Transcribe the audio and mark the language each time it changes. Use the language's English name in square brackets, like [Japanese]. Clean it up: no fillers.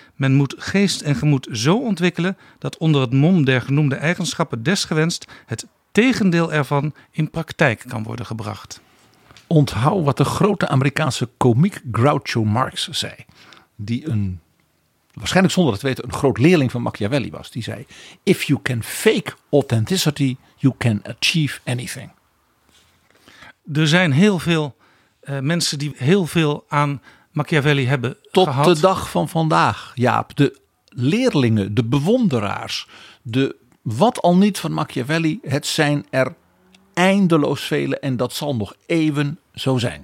[Dutch] Men moet geest en gemoed zo ontwikkelen dat onder het mom der genoemde eigenschappen desgewenst het tegendeel ervan in praktijk kan worden gebracht. Onthoud wat de grote Amerikaanse komiek Groucho Marx zei, die een, waarschijnlijk zonder het weten, een groot leerling van Machiavelli was. Die zei, [English] if you can fake authenticity, you can achieve anything. [Dutch] Er zijn heel veel mensen die heel veel aan Machiavelli hebben tot gehad. De dag van vandaag, Jaap. De leerlingen, de bewonderaars, de wat al niet van Machiavelli, het zijn er eindeloos velen en dat zal nog even zo zijn.